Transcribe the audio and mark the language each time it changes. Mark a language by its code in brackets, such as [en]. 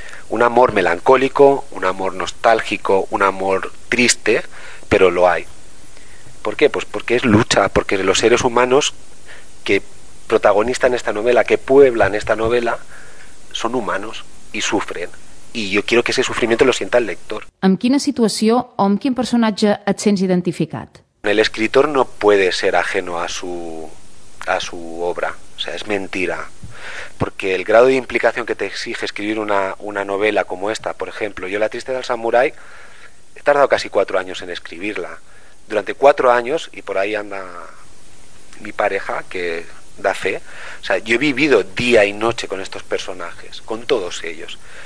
[es] Un amor melancólico, un amor nostálgico, un amor triste, pero lo hay. ¿Por qué? Pues porque es lucha, porque los seres humanos que protagonizan esta novela, que pueblan esta novela, son humanos y sufren. Y yo quiero que ese sufrimiento lo sienta el lector. [ca] ¿Amb quina situació o amb quin personatge et sents identificat? [es] El escritor no puede ser ajeno a su obra. O sea, es mentira. Porque el grado de implicación que te exige escribir una novela como esta, por ejemplo, yo La Tristeza del Samurái, he tardado casi 4 años en escribirla. Durante 4 años, y por ahí anda mi pareja, que da fe, o sea, yo he vivido día y noche con estos personajes, con todos ellos.